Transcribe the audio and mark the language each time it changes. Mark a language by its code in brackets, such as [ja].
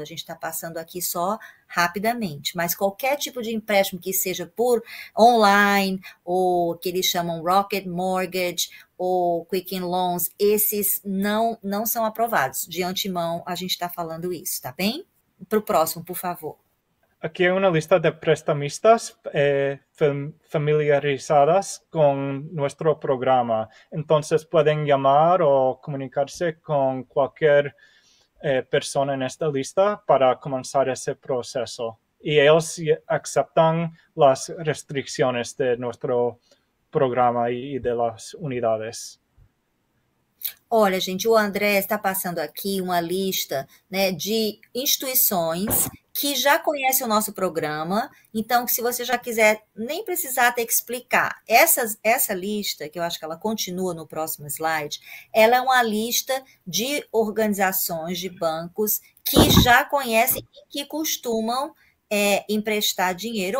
[pt] A gente está passando aqui só rapidamente, mas qualquer tipo de empréstimo que seja por online ou que eles chamam Rocket Mortgage ou Quicken Loans, esses não são aprovados. De antemão, a gente está falando isso, tá bem? Para o próximo, por favor. [es] Aquí hay una lista de prestamistas familiarizadas con nuestro programa. Entonces pueden llamar o comunicarse con cualquier persona en esta lista para comenzar ese proceso. Y ellos aceptan las restricciones de nuestro programa y de las unidades. [pt] Olha, gente, o André está passando aqui uma lista, né, de instituições que já conhecem o nosso programa. Então, se você já quiser, nem precisar ter que explicar. Essa lista, que eu acho que ela continua no próximo slide, ela é uma lista de organizações, de bancos que já conhecem e que costumam emprestar dinheiro.